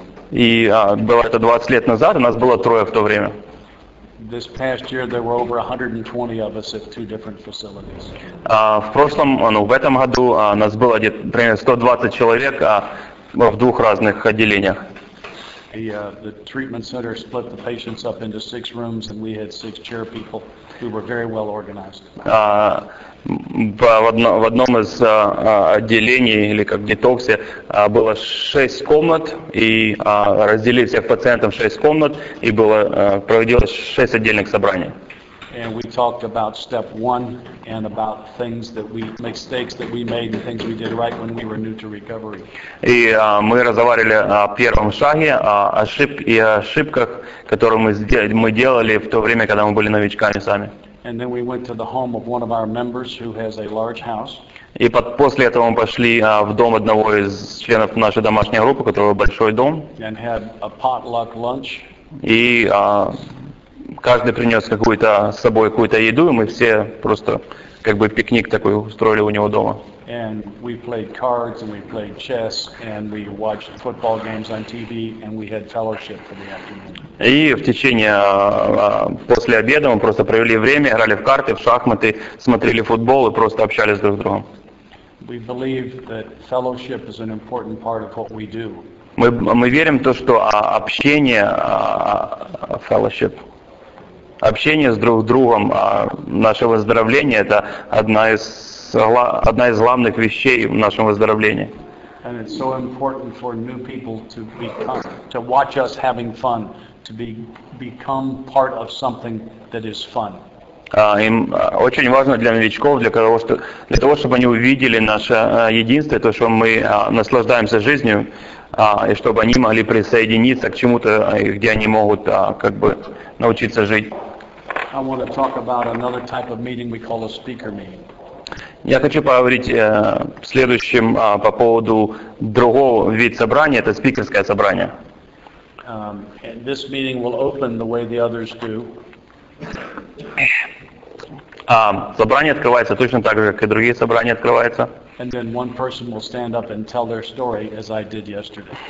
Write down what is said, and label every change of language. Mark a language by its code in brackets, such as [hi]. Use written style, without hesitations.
[ru] И было это 20 лет назад, у нас было трое в то время. [en] This past year there were over 120 of us at two different facilities. [ru] В этом году нас было где-то примерно 120 человек в двух разных отделениях. [en] The treatment center split the patients up into six rooms and we had six chair people. We were very well organized. [ru] В одном из отделений или как детоксе было 6 комнат и разделили всех пациентов 6 комнат и было проводилось 6 отдельных собраний. [en] And we talked about step one and about things that we mistakes that we made and things we did right when we were new to recovery. [ru] И мы разговаривали о первом шаге, о ошибках, которые мы делали в то время, когда мы были новичками сами. [en] And then we went to the home of one of our members who has a large house. [ru] И после этого мы пошли в дом одного из членов нашей домашней группы, у которого большой дом. [en] And had a potluck lunch. [ru] И каждый принес какую-то с собой какую-то еду, и мы все просто как бы пикник такой устроили у него дома. [en] And we played cards and we played chess and we watched football games on TV and we had fellowship for the afternoon. [ru] И в течение после обеда мы просто провели время, играли в карты, в шахматы, смотрели футбол и просто общались друг с другом. [en] We believe that fellowship is an important part of what we do. [ru] Мы верим в то, что общение fellowship. Общение с друг другом, наше выздоровление – это одна из главных вещей в нашем выздоровлении. [en] And it's so important for new people to become, to watch us having fun, to be, become part of something that is fun. [ru] Им очень важно для новичков, для того, чтобы они увидели наше единство, то, что мы наслаждаемся жизнью, и чтобы они могли присоединиться к чему-то, где они могут как бы научиться жить. [en] I want to talk about another type of meeting we call a speaker meeting. [ru] Я хочу поговорить следующим по поводу другого вида собрания, это спикерское собрание. [en] This meeting will open the way the others do. [ru] Собрание открывается точно так же, как и другие собрания открываются. [en] And then one person will stand up and tell their story, as I did yesterday.